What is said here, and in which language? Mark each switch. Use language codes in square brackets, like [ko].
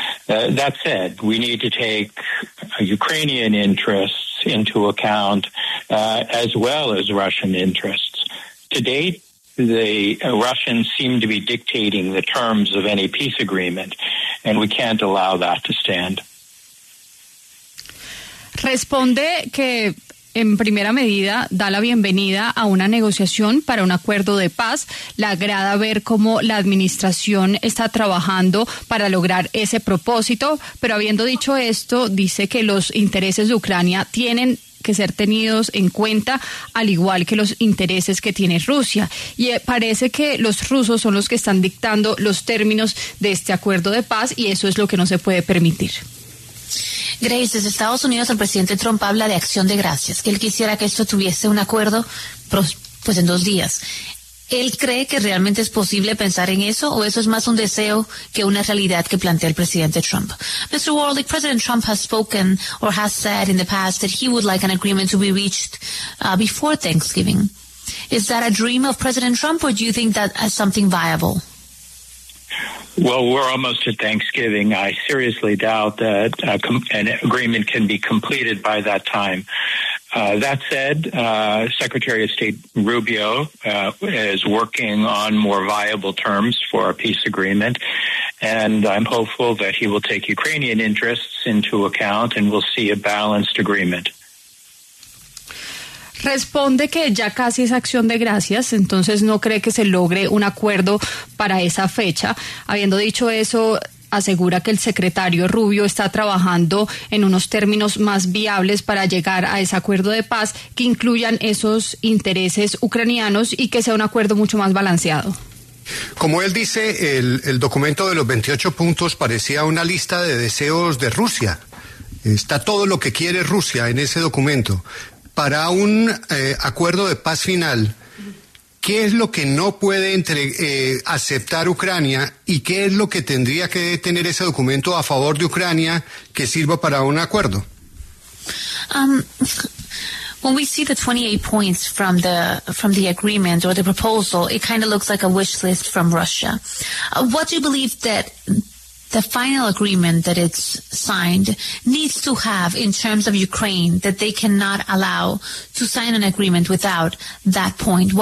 [en] That said, we need to take Ukrainian interests into account as well as Russian interests. To date, the Russians seem to be dictating the terms of any peace agreement, and we can't allow that to stand. [es] Responde que en primera medida da la bienvenida a una negociación para un acuerdo de paz. Le agrada ver cómo la administración está trabajando para lograr ese propósito, pero habiendo dicho esto, dice que los intereses de Ucrania tienen que ser tenidos en cuenta, al igual que los intereses que tiene Rusia. Y parece que los rusos son los que están dictando los términos de este acuerdo de paz, y eso es lo que no se puede permitir. Grace, desde Estados Unidos, el presidente Trump habla de acción de gracias, que él quisiera que esto tuviese un acuerdo, pues en dos días. ¿Él cree que realmente es posible pensar en eso, o eso es más un deseo que una realidad que plantea el presidente Trump? [en] Mr. Warlick, President Trump has spoken or has said in the past that he would like an agreement to be reached before Thanksgiving. Is that a dream of President Trump, or do you think that as something viable? Well, we're almost at Thanksgiving. I seriously doubt that an agreement can be completed by that time. That said, Secretary of State Rubio is working on more viable terms for a peace agreement, and I'm hopeful that he will take Ukrainian interests into account and we'll see a balanced agreement. [es] Responde que ya casi es acción de gracias, entonces no cree que se logre un acuerdo para esa fecha. Habiendo dicho eso, asegura que el secretario Rubio está trabajando en unos términos más viables para llegar a ese acuerdo de paz que incluyan esos intereses ucranianos y que sea un acuerdo mucho más balanceado. Como él dice, el documento de los 28 puntos parecía una lista de deseos de Rusia. Está todo lo que quiere Rusia en ese documento. Para un acuerdo de paz final, ¿qué es lo que no puede aceptar Ucrania y qué es lo que tendría que tener ese documento a favor de Ucrania que sirva para un acuerdo? [en] When we see the 28 points from the agreement or the proposal, it kind of looks like a wish list from Russia. What do you believe that the final agreement that it's signed needs to have in terms of Ukraine that they cannot allow to sign an agreement without that point?